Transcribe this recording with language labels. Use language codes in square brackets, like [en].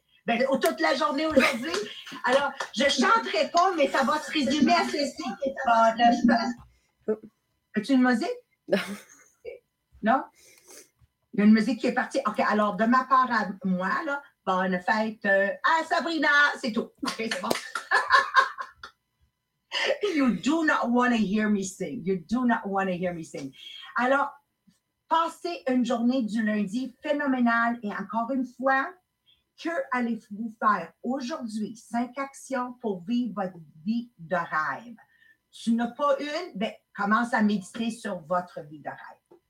[fr] Ben, toute la journée aujourd'hui. Alors, je ne chanterai pas, mais ça va se résumer à ceci. As-tu une musique? Non. Non? Il y a une musique qui est partie. OK, alors, de ma part à moi, là, bonne fête à Sabrina. C'est tout. OK, c'est bon. [en] You do not want to hear me sing. You do not want to hear me sing. [fr] Alors, passez une journée du lundi phénoménale et encore une fois, que allez-vous faire aujourd'hui? 5 actions pour vivre votre vie de rêve. Tu n'as pas une? Bien, commence à méditer sur votre vie de rêve.